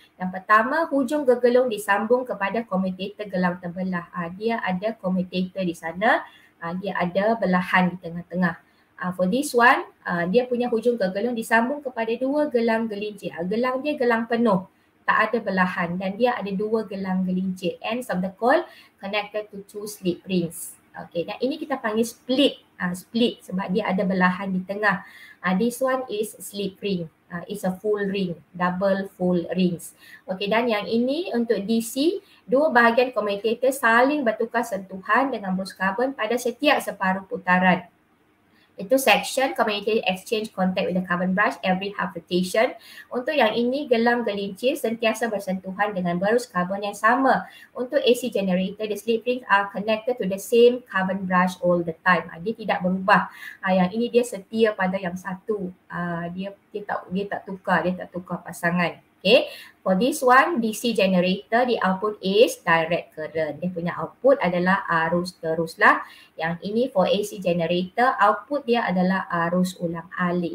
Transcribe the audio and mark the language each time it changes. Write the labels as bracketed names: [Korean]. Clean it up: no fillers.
[Malay] Yang pertama, hujung gegelung disambung kepada commutator gelang terbelah. Dia ada commutator di sana. Dia ada belahan di tengah-tengah. [English] For this one, [Malay] dia punya hujung gegelung disambung kepada dua gelang gelincir. Gelang dia gelang penuh, tak ada belahan, dan dia ada dua gelang gelincir. [English] Ends of the coil connected to two slip rings. [Malay] Okay, dan ini kita panggil split. Split sebab dia ada belahan di tengah. [English] This one is slip ring. It's a full ring, double full rings. [Malay] Okay, dan yang ini untuk DC, dua bahagian commutator saling bertukar sentuhan dengan brush carbon pada setiap separuh putaran. [English] Itu section commutator exchange contact with the carbon brush every half rotation. [Malay] Untuk yang ini, gelang gelincir sentiasa bersentuhan dengan brush carbon yang sama. Untuk AC generator, [English] the slip rings are connected to the same carbon brush all the time. [Malay] Dia tidak berubah. Yang ini dia setia pada yang satu. Dia tak tukar pasangan. Okay. [English] For this one, DC generator, the output is direct current. [Malay] Dia punya output adalah arus terus lah. Yang ini [English] for AC generator, [Malay] output dia adalah arus ulang alik.